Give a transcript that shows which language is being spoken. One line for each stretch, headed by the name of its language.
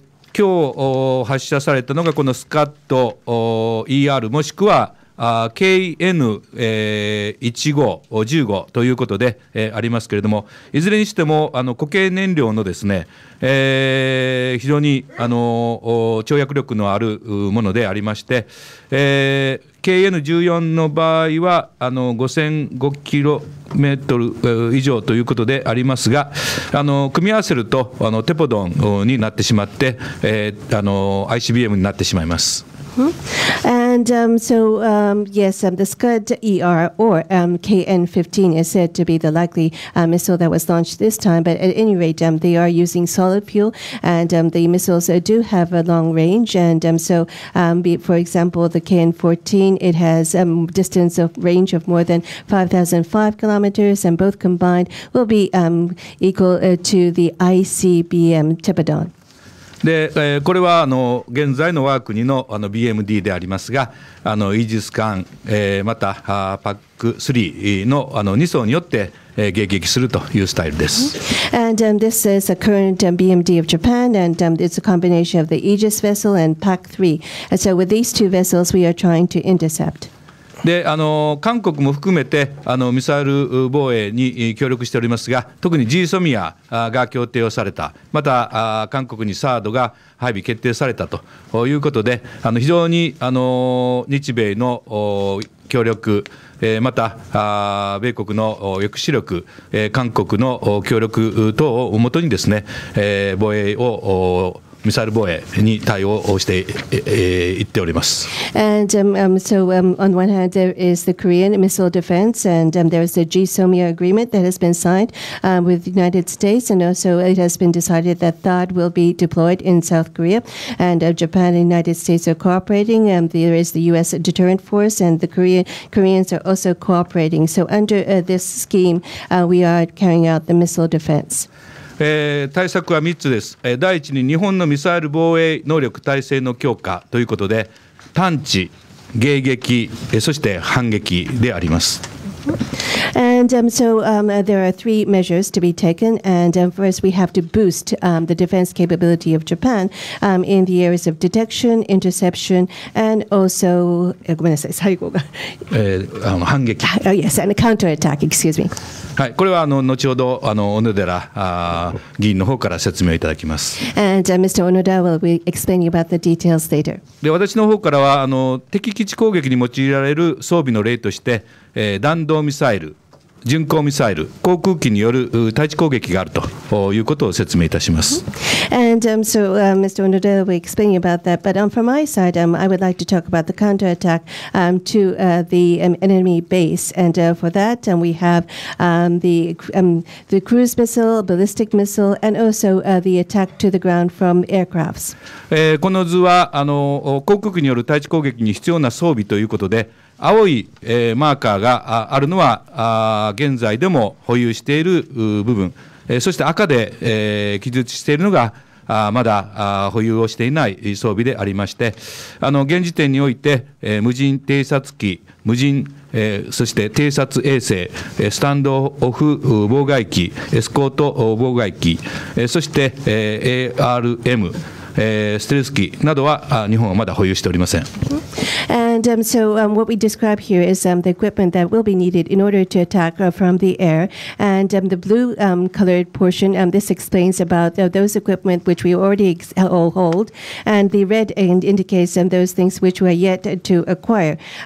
Japanese: 今日発射されたのがこのスカット ER もしくはKN1515ということで、ありますけれども、いずれにしても固形燃料のですね、非常に跳躍力のあるものでありまして、 KN14 の場合は5500キロメートル以上ということでありますが、組み合わせるとテポドンになってしまって、ICBM になってしまいます。
English: And yes, the Scud ER or KN-15 is said to be the likely missile that was launched this time. But at any rate, they are using solid fuel, and the missiles do have a long range. And for example, the KN-14, it has a distance of range of more than 5,005 kilometers, and both combined will be equal to the ICBM Tepodon.
Japanese: で、これは現在の我が国の BMD でありますが、イージス艦、またPAC-3 の2艘によって迎撃するというスタイルです。
English: And this is a current BMD of Japan, and it's a combination of the Aegis vessel and PAC-3. And so with these two vessels, we are trying to intercept.
Japanese: で韓国も含めてミサイル防衛に協力しておりますが、特にジーソミアが協定をされた、また韓国にサードが配備決定されたということで、非常に日米の協力、また米国の抑止力、韓国の協力等をもとにですね、防衛をミサイル防衛に対応をして いっております。
English: And on one hand there is the Korean missile defense and there is the GSOMIA agreement that has been signed with the United States, and also it has been decided that THAAD will be deployed in South Korea, and Japan and United States are cooperating, and there is the US deterrent force, and the Koreans are also cooperating. So under this scheme we are carrying out the missile defense.
Japanese: 対策は3つです。第一に日本のミサイル防衛能力体制の強化ということで、探知、迎撃、そして反撃であります。
English: And there are three measures to be taken. And first, we have to boost the defense capability of Japan in the areas of detection, interception, and also,
Japanese: ごめんなさい、最後が。反撃。
English: Oh, yes, and a counterattack, excuse me.
Japanese: はい、これは後ほど小野寺議員の方から説明いただきます。
English: And Mr. Onoda will explain you about the details later.
Japanese: で、私の方からは敵基地攻撃に用いられる装備の例として、弾道ミサイル、巡航ミサイル、航空機による対地攻撃があるということを説明いたします。
English: And Mr. Onoda will explain you about that, but from my side I would like to talk about the counterattack to the enemy base, and for that we have the cruise missile, ballistic missile, and also the attack to the ground from aircrafts.
Japanese: この図は航空機による対地攻撃に必要な装備ということで、青いマーカーがあるのは現在でも保有している部分、そして赤で記述しているのがまだ保有をしていない装備でありまして、現時点において無人偵察機、無人そして偵察衛星、スタンドオフ妨害機、エスコート妨害機、そして ARM、ステルス機などは日本はまだ保有しておりません。
English: And so what we describe here is the equipment that will be needed in order to attack from the air. And the blue colored portion, this explains about those equipment which we already all hold. And the red end indicates those things which we are yet to acquire.